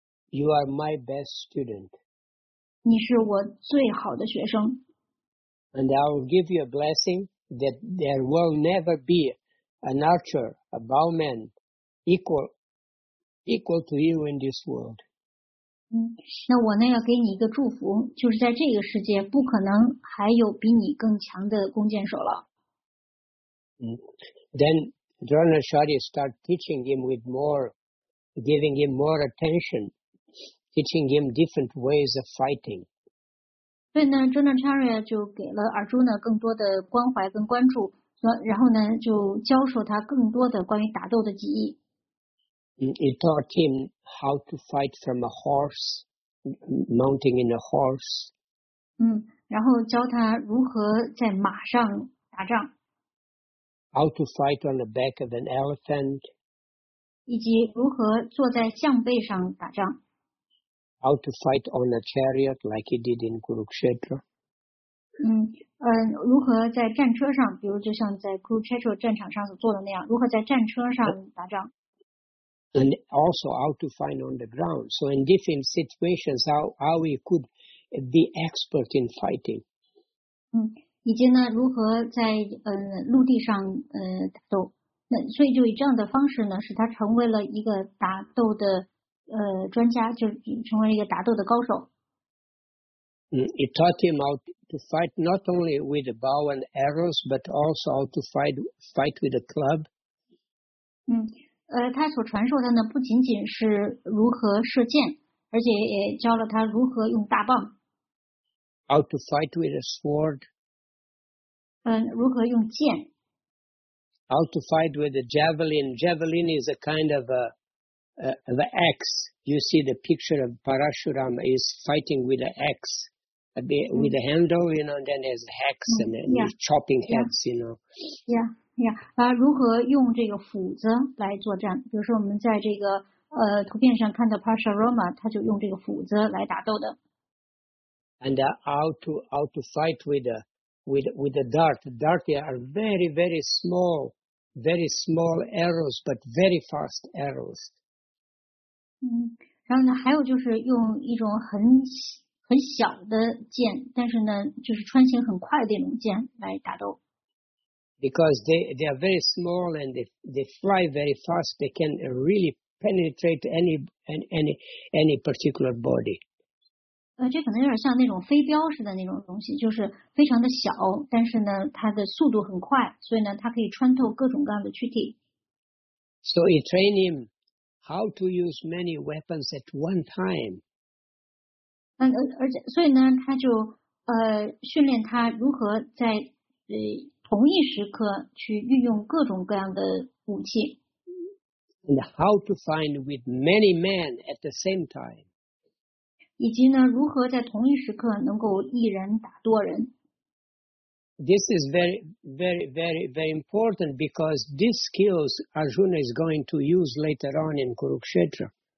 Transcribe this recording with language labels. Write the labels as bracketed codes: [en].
[en] You are my best student. [zh] 你是我最好的学生。 [en] And I will give you a blessing that there will never be an archer, a bowman, equal to you in this world. [zh] 那我呢要给你一个祝福，就是在这个世界不可能还有比你更强的弓箭手了。 [en] Then Dronacharya start teaching him with more, giving him more attention, teaching him different ways of fighting. [zh] 所以呢 ，Dronacharya 就给了Arjuna更多的关怀跟关注，然后呢就教授他更多的关于打斗的技艺。 [en] He taught him how to fight from a horse, mounting in a horse. [zh] 然后教他如何在马上打仗。 [en] How to fight on the back of an elephant. [zh] 以及如何坐在象背上打仗。 [en] How to fight on a chariot like he did in Kurukshetra. [zh] 如何在战车上，比如就像在 Kurukshetra 战场上所做的那样，如何在战车上打仗。 [en] And also how to fight on the ground. So in different situations, how he could be expert in fighting. [zh] 以及呢如何在陆地上打斗，那所以就以这样的方式呢使他成为了一个打斗的专家，就成为了一个打斗的高手。 [en] It taught him how to fight not only with the bow and arrows, but also how to fight with a club. [zh] 他所传授的呢不仅仅是如何射箭，而且也教了他如何用大棒。 [en] How to fight with a sword. [zh] 如何用剑。 [en] How to fight with a javelin. Javelin is a kind of an axe. You see the picture of Parashuram is fighting with an axe. With a handle, you know, and then there's hacks and then yeah, chopping heads, you know. Yeah. [zh] 如何用这个斧子来作战？比如说，我们在这个图片上看到 Parashurama， 他就用这个斧子来打斗的。 [en] And how to fight with a dart? Dart are very very small arrows, but very fast arrows. [zh] 然后呢，还有就是用一种很小的剑，但是呢，就是穿行很快的那种剑来打斗。 [en] Because they are very small and they fly very fast, they can really penetrate any particular body. [zh] 这可能有点像那种飞镖似的那种东西，就是非常的小，但是呢，它的速度很快，所以呢，它可以穿透各种各样的躯体。 [en] So he trained him how to use many weapons at one time. [zh] 而且所以呢他就训练他如何在同一时刻去运用各种各样的武器。 [en] And how to find with many men at the same time. [zh] 以及呢如何在同一时刻能够一人打多人。 [en] This is very, very, very, very important because these skills Arjuna is going to use later on in Kurukshetra.